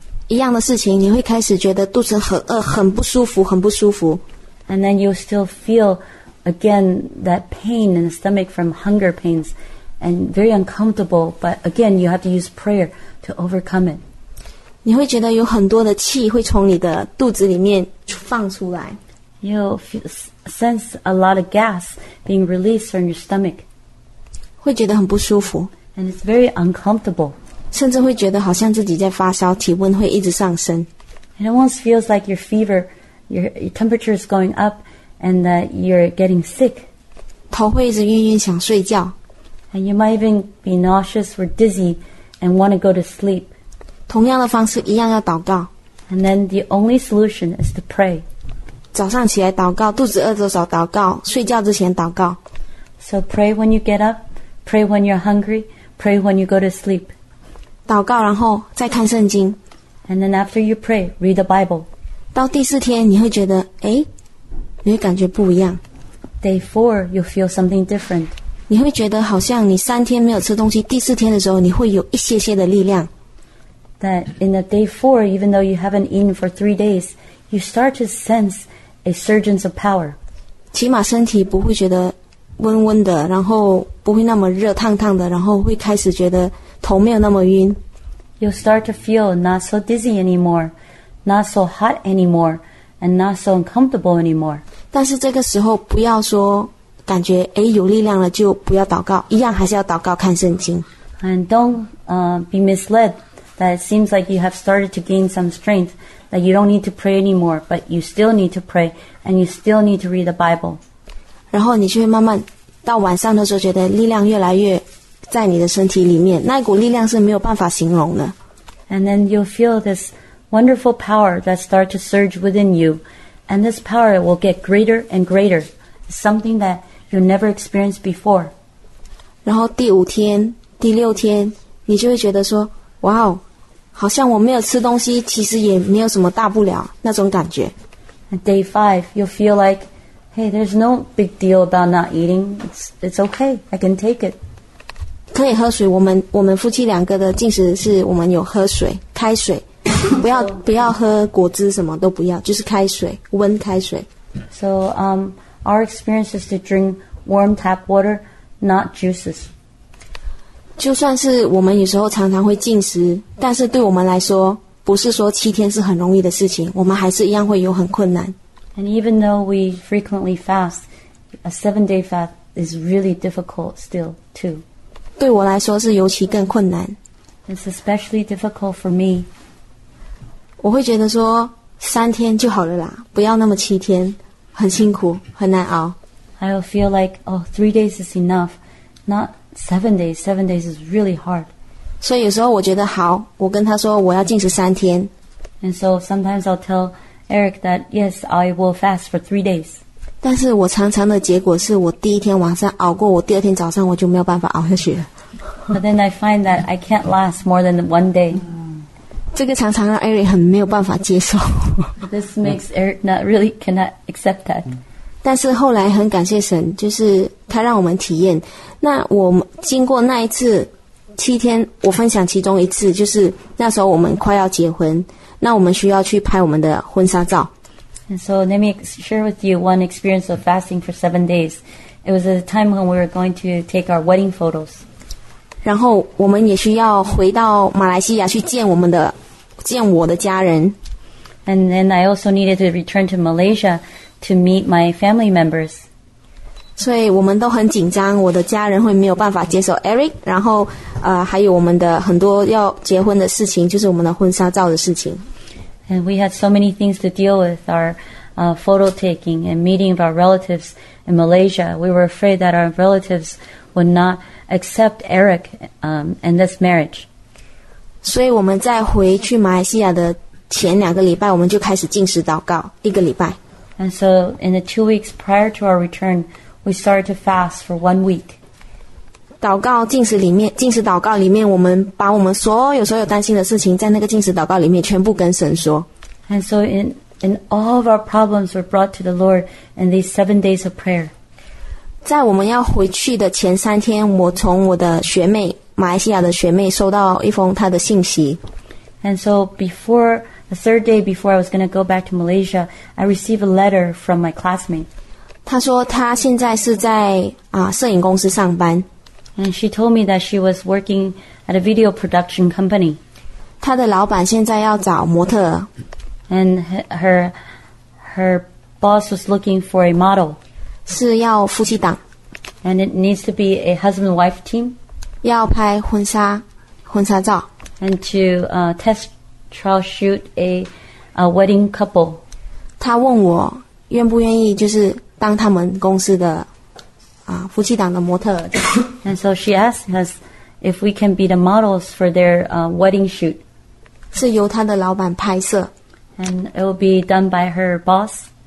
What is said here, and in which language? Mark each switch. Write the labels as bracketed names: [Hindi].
[Chinese] 一样的事情，你会开始觉得肚子很饿，很不舒服，很不舒服。 [English] And then you still feel again that pain in the stomach from hunger pains, and very uncomfortable. But again, you have to use prayer to overcome it. [Chinese] 你会觉得有很多的气会从你的肚子里面放出来。 [English] You'll sense a lot of gas being released from your stomach. [Chinese] 会觉得很不舒服。 [English] And it's very uncomfortable. [Chinese] 甚至会觉得好像自己在发烧，体温会一直上升。 [English] It almost feels like your fever, your temperature is going up, and that you're getting sick. [Chinese] 头会一直晕晕想睡觉。 [English] And you might even be nauseous or dizzy and want to go to sleep. [Chinese] 同样的方式一样要祷告。 [English] And then the only solution is to pray. [Chinese] 早上起来祷告，肚子饿的时候祷告，睡觉之前祷告。 [English] So pray when you get up, pray when you're hungry, pray when you go to sleep. [Chinese] 祷告然后再看圣经。 [English] And then after you pray, read the Bible. [Chinese] 到第四天你会觉得，诶，你会感觉不一样。 [English] Day four, you'll feel something different. [Chinese] 你会觉得好像你三天没有吃东西，第四天的时候你会有一些些的力量。 [English] That in the day four, even though you haven't eaten for 3 days, you start to sense a surge of power. [Chinese] 起码身体不会觉得温温的，然后不会那么热烫烫的，然后会开始觉得头没有那么晕。 [English] You'll start to feel not so dizzy anymore, not so hot anymore, and not so uncomfortable anymore. [Chinese] 但是这个时候不要说感觉诶有力量了就不要祷告，一样还是要祷告看圣经。 [English] And don't be misled that it seems like you have started to gain some strength, that you don't need to pray anymore, but you still need to pray, and you still need to read the Bible. [Chinese] 然后你就会慢慢到晚上的时候觉得力量越来越在你的身体里面，那股力量是没有办法形容的。 [English] And then you'll feel this wonderful power that starts to surge within you. And this power will get greater and greater. Something that you never experienced before. [Chinese] 然后第五天、第六天，你就会觉得说，哇哦，好像我没有吃东西，其实也没有什么大不了，那种感觉。 [English] And day five, you'll feel like, hey, there's no big deal about not eating. It's okay, I can take it. [Chinese] 可以喝水，我们夫妻两个的进食是我们有喝水，开水，不要喝果汁，什么都不要，就是开水，温开水。 [English] So, our experience is to drink warm tap water, not juices. [Chinese] 就算是我们有时候常常会进食，但是对我们来说，不是说七天是很容易的事情，我们还是一样会有很困难。 [English] And even though we frequently fast, a 7-day fast is really difficult still too. [Chinese] 对我来说是尤其更困难。 [English] It's especially difficult for me. [Chinese] 我会觉得说三天就好了啦，不要那么七天，很辛苦，很难熬。 [English] I will feel like, oh, 3 days is enough, not 7 days. 7 days is really hard. [Chinese] 所以有时候我觉得好，我跟他说我要禁食三天。 [English] And so sometimes I'll tell Eric that, yes, I will fast for 3 days. [Chinese] 但是我常常的结果是我第一天晚上熬过，我第二天早上我就没有办法熬下去了。 [English] But then I find that I can't last more than one day. [Chinese] 这个常常让 Eric 很没有办法接受。 [English] This makes Eric not really cannot accept that. [Chinese] 但是后来很感谢神，就是他让我们体验。那我经过那一次七天，我分享其中一次，就是那时候我们快要结婚，那我们需要去拍我们的婚纱照。 [English] And so let me share with you one experience of fasting for 7 days. It was at a time when we were going to take our wedding photos. [Chinese] 然后我们也需要回到马来西亚去见我们的，见我的家人。 [English] And then I also needed to return to Malaysia to meet my family members. [Chinese] 所以我们都很紧张，我的家人会没有办法接受 Eric, 然后还有我们的很多要结婚的事情，就是我们的婚纱照的事情。 [English] And we had so many things to deal with, our photo taking and meeting of our relatives in Malaysia. We were afraid that our relatives would not accept Eric and this marriage. [Chinese] 所以我们在回去马来西亚的前两个礼拜，我们就开始禁食祷告一个礼拜。 [English] And so in the 2 weeks prior to our return, we started to fast for 1 week. [Chinese] 祷告禁食里面，禁食祷告里面，我们把我们所有所有担心的事情，在那个禁食祷告里面全部跟神说。 [English] And so in all of our problems were brought to the Lord in these 7 days of prayer. [Chinese] 在我们要回去的前三天，我从我的学妹，马来西亚的学妹，收到一封她的信息。 [English] And so before the third day before I was going to go back to Malaysia, I received a letter from my classmate. [Chinese] 她说她现在是在摄影公司上班。 [English] And she told me that she was working at a video production company. [Chinese] 她的老板现在要找模特。 [English] And her boss was looking for a model. [Chinese] 是要夫妻档。 [English] And it needs to be a husband-wife team. [Chinese] 要拍婚纱照。 [English] And to test trial shoot a wedding couple. [Chinese] 她问我愿不愿意就是当他们公司的夫妻档的模特。 [English] And so she asked us if we can be the models for their wedding shoot. [Chinese] 是由她的老板拍摄。 [English] And it will be done by her boss.